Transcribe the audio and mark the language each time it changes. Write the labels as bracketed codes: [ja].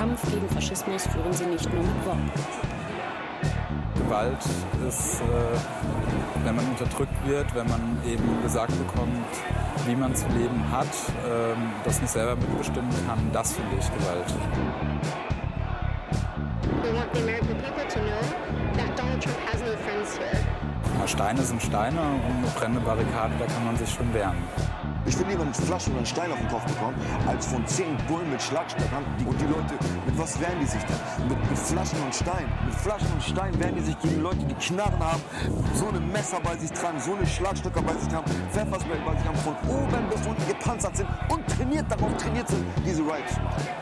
[de] Gegen Faschismus führen sie nicht nur mit Worten. Gewalt ist, wenn man unterdrückt wird, wenn man eben gesagt bekommt, wie man zu leben hat, das nicht selber mitbestimmen kann, das finde ich Gewalt. [en] We want the American people to know that Donald Trump has no friends here. [de] Na, Steine sind Steine und eine brennende Barrikade, da kann man sich schon wehren. Ich will lieber eine Flasche oder einen Stein auf den Kopf bekommen, als von 10 Bullen mit Schlagstöcken. Und die Leute, mit was wehren die sich denn? Mit Flaschen und Stein. Mit Flaschen und Stein wehren die sich gegen Leute, die Knarren haben, so eine Messer bei sich tragen, so eine Schlagstöcke bei sich haben, Pfefferspray bei sich haben, von oben bis unten gepanzert sind und trainiert, darauf trainiert sind, diese Riots zu machen.